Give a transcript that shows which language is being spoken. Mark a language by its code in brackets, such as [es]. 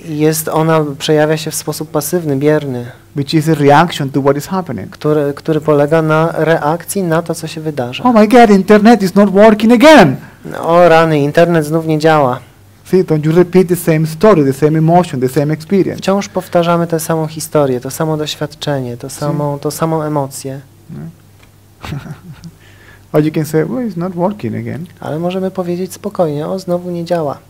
[pl] Jest ona, przejawia się w sposób pasywny, bierny. [en] Which is a reaction to what is happening. [pl] Który polega na reakcji na to, co się wydarza. [en] Oh my God, internet is not working again. [pl] O rany, internet znów nie działa. [en] See, don't you repeat the same story, the same emotion, the same experience. [pl] Wciąż powtarzamy tę samą historię, to samo doświadczenie, to samą emocję. [en] Or you can say, well, it's not working again. [pl] Ale możemy powiedzieć spokojnie, o, znowu nie działa.